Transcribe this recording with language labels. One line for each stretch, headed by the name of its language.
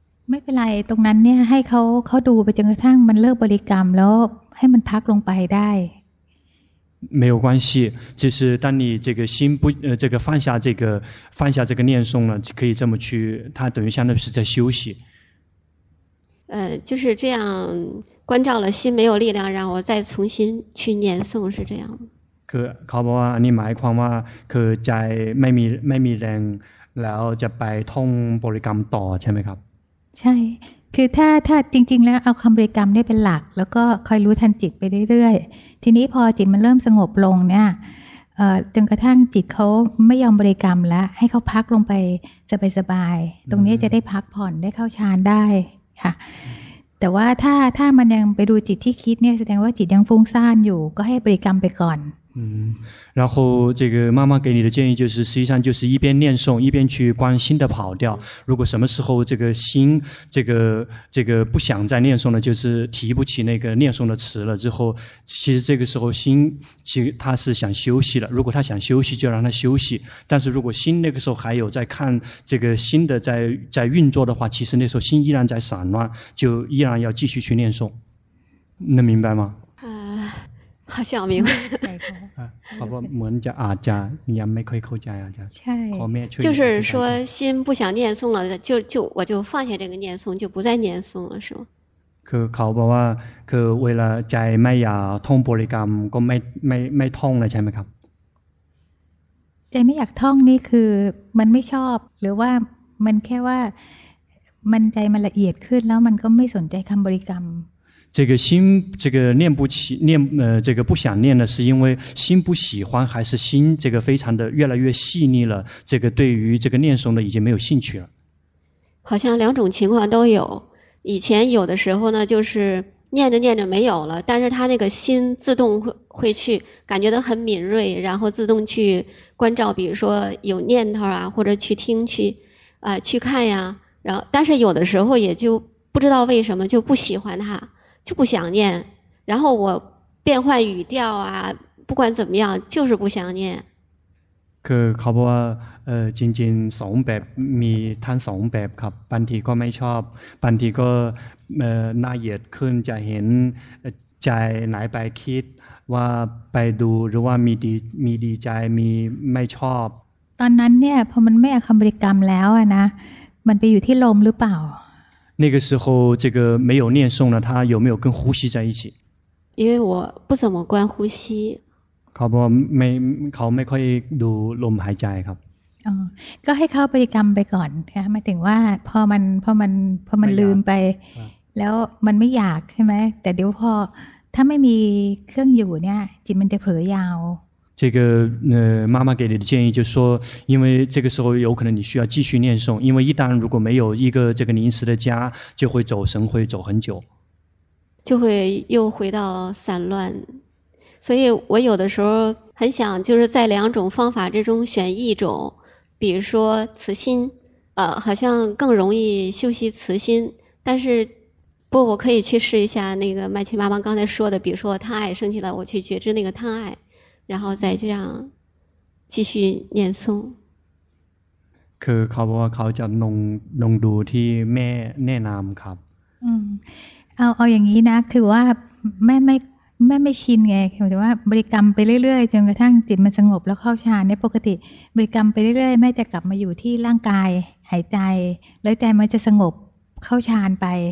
Thai: ไม่เป็นไรตรงนั้นเนี่ยให้เขาดูไปจนกระทั่งมันเลิกบริกรรมแล้วให้มันพักลงไปได้
Chinese: 没有关系，就是当你这个心不这个放下这个念诵了，可以这么去，它等于相当于是在休息。就是这样关照了心没有力量，让我再重新去念诵，是这样。
Thai: คือเขาบอกว่าอันนี้หมายความว่าคือใจไม่มีแรงแล้วจะไปท่องบริกรรมต่อใช่ไหมครับ ใช่คือถ้าจริงๆแล้วเอาคำบริกรรมได้เป็นหลักแล้วก็คอยรู้ทันจิตไปเรื่อยๆทีนี้พอจิตมันเริ่มสงบลงเนี่ยจนกระทั่งจิตเขาไม่ยอมบริกรรมแล้วให้เขาพักลงไปสบายๆตรงนี้จะได้พักผ่อนได้เข้าฌานได้ค่ะแต่ว่าถ้ามันยังไปดูจิตที่คิดเนี่ยแสดงว่าจิตยังฟุ้งซ่านอยู่ก็ให้บริกรรมไปก่อน
Chinese: 然后这个妈妈给你的建议就是，实际上就是一边念诵一边去关心的跑掉。如果什么时候这个心这个不想再念诵了，就是提不起那个念诵的词了之后，其实这个时候心其实他是想休息了。如果他想休息，就让他休息。但是如果心那个时候还有在看这个心的在运作的话，其实那时候心依然在散乱，就依然要继续去念诵。能明白吗？好像明白。
Thai: เขาบอกเหมือนจะอาจจะยังไม่ค่อยเข้าใจอาจจะ ใช่ ขอแม่ช่วย
Chinese: 就是说心不想念诵了就我就放下这个念诵就不再念诵了是吗
Thai: คือเขาบอกว่าคือเวลาใจไม่อยากท่องบริกรรมก็ไม่ท่องเลยใช่ไหมครับ ใจไม่อยากท่องนี่คือมันไม่ชอบหรือว่ามันแค่ว่ามันใจมันละเอียดขึ้นแล้วมันก็ไม่สนใจคำบริกรรม
Chinese: 这个心这个念不起念这个不想念的是因为心不喜欢还是心这个非常的越来越细腻了这个对于这个念诵的已经没有兴趣了好像两种情况都有以前有的时候呢就是念着念着没有了但是他那个心自动会去感觉得很敏锐然后自动去关照比如说有念头啊或者去听去去看呀然后但是有的时候也就不知道为什么就不喜欢他就不想念然后我变换语调啊不管怎么样就是不想念
Thai: คือเขาบอกว่าจริงจริงสองแบบมีทั้งสองแบบครับบางทีก็ไม่ชอบบางทีก็น่าเหยียดขึ้นจะเห็นใจไหนไปคิดว่าไปดูหรือว่ามีดีใจมีไม่ชอบ ตอนนั้นเนี่ยพอมันไม่อคำบริกรรมแล้วนะมันไปอยู่ที่ลมหรือเปล่า
Chinese: 那个时候这个没有念诵了他有没有跟呼吸在一起因为我不怎么观呼吸
Thai: เขาไม่ค่อยดูลมหายใจครับ ก็ให้เขาบริกรรมไปก่อนนะหมายถึงว่าพอมันลืมไปแล้วมันไม่อยากใช่ไหมแต่เดี๋ยวพอถ้าไม่มีเครื่องอยู่เนี่ยจิตมันจะเผลอยาว
Chinese: 这个妈妈给你的建议就是说因为这个时候有可能你需要继续念诵因为一旦如果没有一个这个临时的家就会走神会走很久就会又回到散乱所以我有的时候很想就是在两种方法之中选一种，比如说慈心，好像更容易修习慈心，但是不，我可以去试一下那个麦琪妈妈刚才说的，比如说贪爱升起来，我去觉知那个贪爱，然后再这样继续念诵。
Thai: คือเขาบอกว่าเขาจะลงดูที่แม่แนะนำครับ เอาอย่างนี้นะคือว่าแม่ไม่ชินไงหมายถึงว่าบริกรรมไปเรื่อยๆจนกระทั่งจิตมันสงบแล้วเข้าฌานเนี่ยปกติบริกรรมไปเรื่อยๆแม่จะกลับมาอยู่ที่ร่างกายหายใจแล้วใจมันจะสงบเข้าฌานไป